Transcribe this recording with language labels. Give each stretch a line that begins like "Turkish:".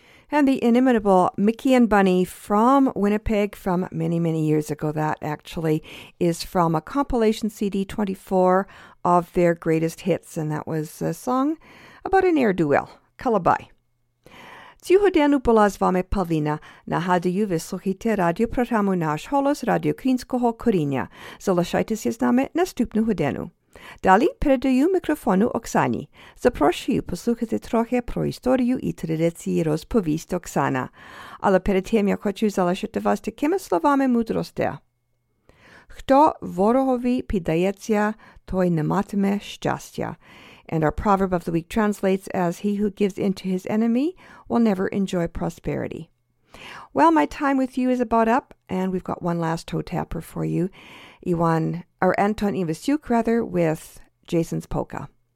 English: And the inimitable Mickey and Bunny from Winnipeg from many, many years ago. That actually is from a compilation CD 24 of their greatest hits. And that was a song about an ne'er-do-well, Kalabai.
Ukrainian: Цього дня була з вами Павлина. Нагадую, ви слухаєте радіопрограму «Наш голос» Радіо Українського коріння. Залишайтеся з нами наступного дня. Далі передаю мікрофону Оксані. Запрошую послухати трохи про історію і традиції розповість Оксана. Але перед тим я хочу залишити вас такими словами мудрості. Хто ворогові піддається, той не матиме щастя.
English: And our proverb of the week translates as, he who gives in to his enemy will never enjoy prosperity. Well, my time with you is about up, and we've got one last toe tapper for you. Anton Ivasyuk, rather, with Jason's Polka.